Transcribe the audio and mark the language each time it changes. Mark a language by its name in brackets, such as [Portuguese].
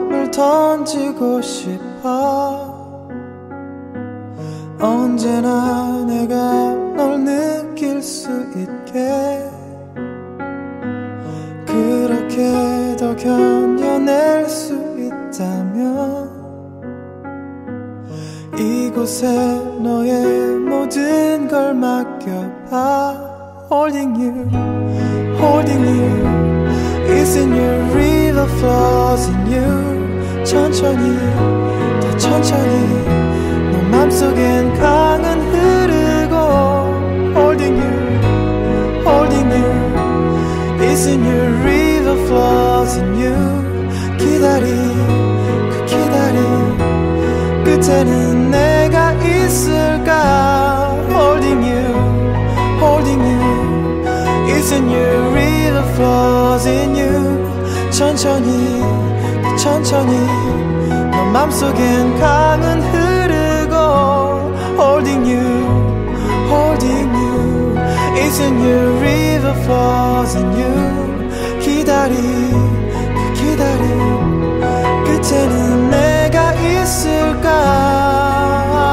[Korean] 던지고 싶어. 언제나 내가 널 느낄 수 있게. 그렇게 더 견뎌낼 수 있다면 이곳에 너의 모든 걸 맡겨봐. [English] Holding you, holding you, it's in your river flows in you. [Korean] 천천히, 더 천천히 내 맘속엔 강은 흐르고. [English] Holding you, holding you, it's a new river flows in you. [Korean] 기다림, 그 기다림 끝에는 내가 있을까. [English] Holding you, holding you, it's a new river flows in you. [Korean] 천천히, 천천히 너 맘속엔 강은 흐르고. [English] Holding you, holding you, it's a new river flows in you. [Korean] 기다림, 기다림 끝에는 내가 있을까.